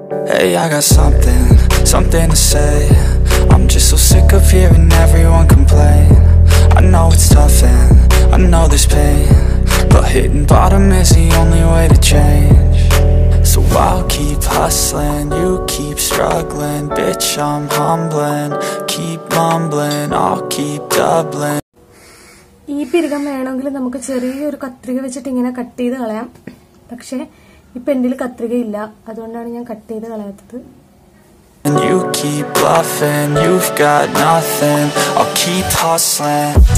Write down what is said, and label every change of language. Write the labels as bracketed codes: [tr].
[en] Hey, I got something, something to say. I'm just so sick of hearing everyone complain. I know it's tough and I know there's pain, but hitting bottom is the only way to change. So I'll keep hustling, you keep struggling. Bitch, I'm humbling, keep mumbling, I'll keep doubling. [ml] ഈ പിരുകം വേണമെങ്കിൽ നമുക്ക് ചെറിയൊരു കത്രിക വെച്ചിട്ട് ഇങ്ങനെ cut ചെയ്ത് കളയാം. പക്ഷേ ഇപ്പൊ എന്റെ കത്രികയില്ല, അതുകൊണ്ടാണ് ഞാൻ കട്ട് ചെയ്ത് കളയാത്തത്. [en] And you keep bluffing, you've got nothing, I'll keep hustling.